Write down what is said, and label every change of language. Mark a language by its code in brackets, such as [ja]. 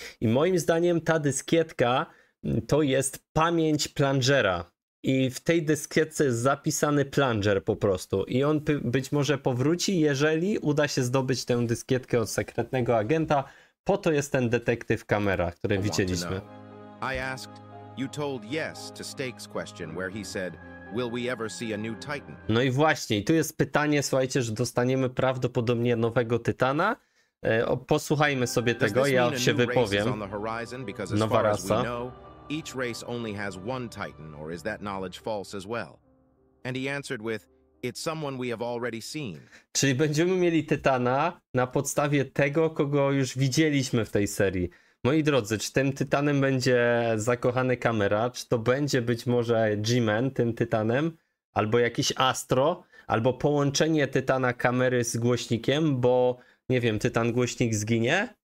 [pl] I moim zdaniem ta dyskietka to jest pamięć Plungera. I w tej dyskietce jest zapisany Plunger po prostu. I on być może powróci, jeżeli uda się zdobyć tę dyskietkę od sekretnego agenta. Po to jest ten detektyw kamera, który widzieliśmy. [en] You told yes to Stake's question where he said, will we ever see a new Titan? [pl] No i właśnie, tu jest pytanie, słuchajcie, że dostaniemy prawdopodobnie nowego Tytana. Posłuchajmy sobie tego, ja się wypowiem. Nowa rasa. [en] Each race only has one Titan, or is that knowledge false as well? And he answered with, it's someone we have already seen. [pl] Czyli będziemy mieli Tytana na podstawie tego, kogo już widzieliśmy w tej serii. Moi drodzy, czy tym Tytanem będzie zakochany kamera, czy to będzie być może G-Man tym Tytanem, albo jakiś Astro, albo połączenie Tytana kamery z głośnikiem, bo nie wiem, Tytan głośnik zginie?